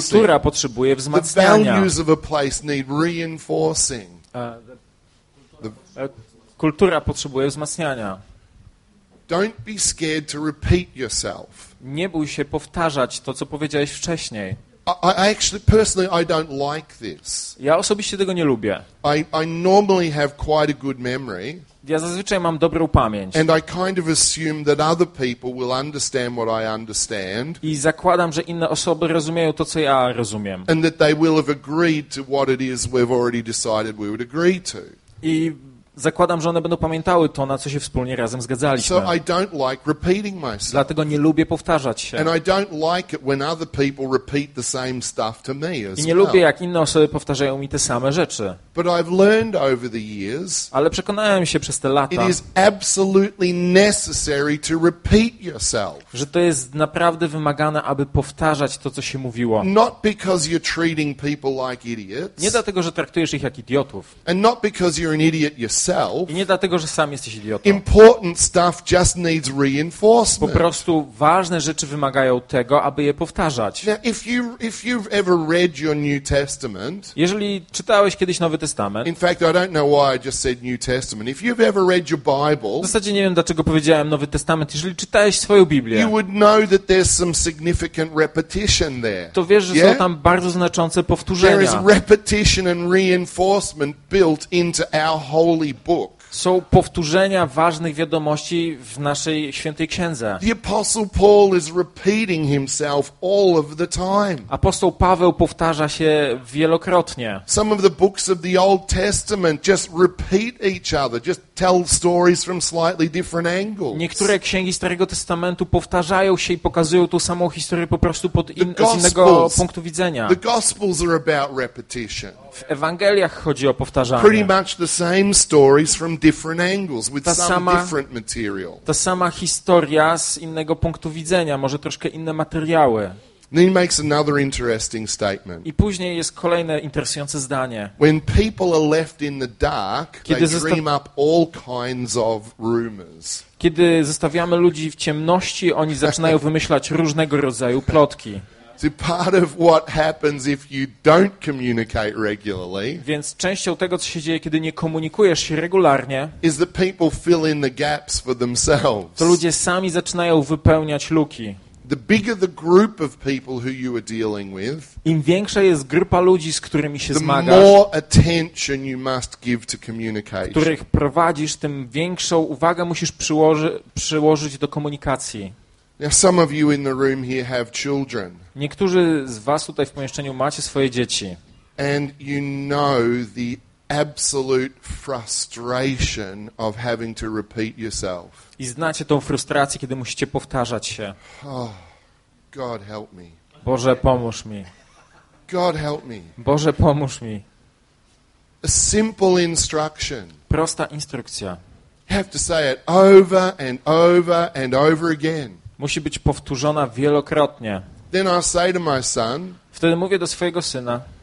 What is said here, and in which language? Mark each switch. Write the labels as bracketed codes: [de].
[pl] Kultura potrzebuje wzmacniania. [en] The values of a place need reinforcing. [pl] Kultura potrzebuje wzmacniania. [en] Don't be scared to repeat yourself. [pl] Nie bój się powtarzać to, co powiedziałeś wcześniej. [en] I don't like this. [pl] Ja osobiście tego nie lubię. [en] I normally have quite a good memory. [pl] Ja zazwyczaj mam dobrą pamięć. [en] And I kind of assume that other people will understand what I understand. [pl] I zakładam, że inne osoby rozumieją to, co ja rozumiem. [en] And that they will have agreed to what it is we've already decided we would agree to. [pl] I zakładam, że one będą pamiętały to, na co się wspólnie razem zgadzaliśmy. [en] So I don't like repeating myself. [pl] Dlatego nie lubię powtarzać się. [en] And I don't like it when other people repeat the same stuff to me as [pl] I nie lubię, jak inne osoby powtarzają mi te same rzeczy. [en] But I've learned over the years. [pl] Ale przekonałem się przez te lata. [en] It is absolutely necessary to repeat yourself. [pl] Że to jest naprawdę wymagane, aby powtarzać to, co się mówiło. [en] Not because you're treating people like idiots. [pl] Nie dlatego, że traktujesz ich jak idiotów. [en] And not because you're an idiot yourself. [pl] I nie dlatego, że sam jesteś idiotą. [en] Important stuff just needs reinforcement. [pl] Po prostu ważne rzeczy wymagają tego, aby je powtarzać. [en] If you've ever read your New Testament, [pl] jeżeli czytałeś kiedyś Nowy Testament. [en] In fact, I don't know why I just said New Testament. If you've ever read your Bible, [pl] w zasadzie nie wiem, dlaczego powiedziałem Nowy Testament. Jeżeli czytałeś swoją Biblię, [en] you would know that there's some significant repetition there. [pl] To wiesz, że są tam bardzo znaczące powtórzenia. [en] There is repetition and reinforcement built into our whole. [pl] Są powtórzenia ważnych wiadomości w naszej świętej księdze. [en] The apostle Paul is repeating himself all of the time. [pl] Apostoł Paweł powtarza się wielokrotnie. [en] Some of the books of the Old Testament just repeat each other, just tell stories from slightly different angles. [pl] Niektóre księgi Starego Testamentu powtarzają się i pokazują tą samą historię po prostu pod z innego punktu widzenia. [en] The gospels are about repetition. [pl] W Ewangeliach chodzi o powtarzanie. [en] Pretty much the same stories from different angles with some different material. [pl] Ta sama historia z innego punktu widzenia, może troszkę inne materiały. [en] Then he makes another interesting statement. [pl] I później jest kolejne interesujące zdanie. [en] When people are left in the dark, they dream up all kinds of rumors. [pl] Kiedy zostawiamy ludzi w ciemności, oni zaczynają wymyślać różnego rodzaju plotki. [en] So part of what happens if you don't communicate regularly. [pl] Więc częścią tego, co się dzieje, kiedy nie komunikujesz się regularnie, [en] is that people fill in the gaps for themselves. [pl] To ludzie sami zaczynają wypełniać luki. [en] The bigger the group of people who you are dealing with, [pl] im większa jest grupa ludzi, z którymi się [en] the [pl] zmagasz, [en] more attention you must give to communication. [pl] Których prowadzisz, tym większą uwagę musisz przyłożyć do komunikacji. [en] Now some of you in the room here have children. [pl] Niektórzy z was tutaj w pomieszczeniu macie swoje dzieci. [en] And you know the absolute frustration of having to repeat yourself. [pl] I znacie tą frustrację, kiedy musicie powtarzać się. [en] Oh, God help me. [pl] Boże, pomóż mi. [en] God help me. [pl] Boże, pomóż mi. [en] A simple instruction. [pl] Prosta instrukcja. [en] You have to say it over and over and over again. [pl] Musi być powtórzona wielokrotnie. [en] Then I say to my son, [pl] wtedy mówię do swojego syna.